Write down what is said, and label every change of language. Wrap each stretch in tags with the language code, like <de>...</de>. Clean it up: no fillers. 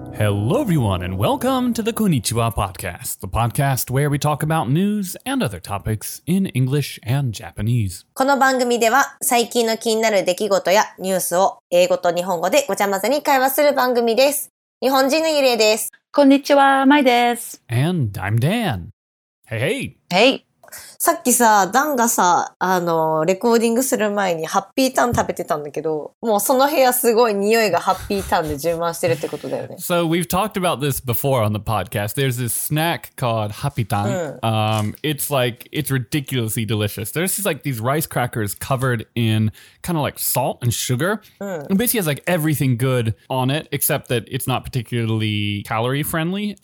<en>Hello, everyone, and welcome to the Konnichiwa Podcast, the podcast where we talk about news and other topics in English and Japanese.</en> <ja>この番組では最近の気になる出来事やニュースを英語と日本語でごちゃ混ぜに会話する番組です。日本人のゆりえです。こんにちは、まいです。</ja> <en>And I'm Dan. Hey, hey. Hey.</en> <ja>さっきさ、ダンがさ、レコーディングする前にハッピーターン食べてたんだけど、もうその部屋すごい匂いがハッピーターンで充満してるってことだよね。</ja> <en>So we've talked about this before on the podcast. There's this snack called ハッピータン。 It's like, it's ridiculously delicious. There's just like these rice crackers covered in kind of like salt and sugar. And basically has like everything good on it, except that it's not particularly calorie friendly.</en>